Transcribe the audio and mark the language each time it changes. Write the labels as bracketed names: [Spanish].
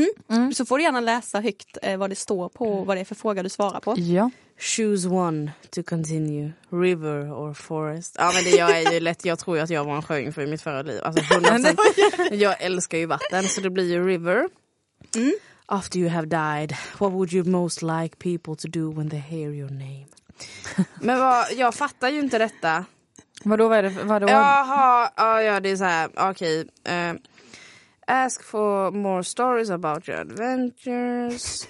[Swedish] Mm. Så får du gärna läsa högt vad det står på och vad det är för fråga du svarar på. Ja. [English] Choose one to continue. River or forest. [Swedish] Ja, men det jag är ju lätt. Jag tror ju att jag var en sjöing för mitt förra liv. Alltså 100%. Jag älskar ju vatten, så det blir ju river. Mm. [English] After you have died, what would you most like people to do when they hear your name? [Swedish] Men vad, jag fattar ju inte detta. Vadå, vad är det? Vadå? Jaha, ja, det är så här. Okej. [English] Ask for more stories about your adventures.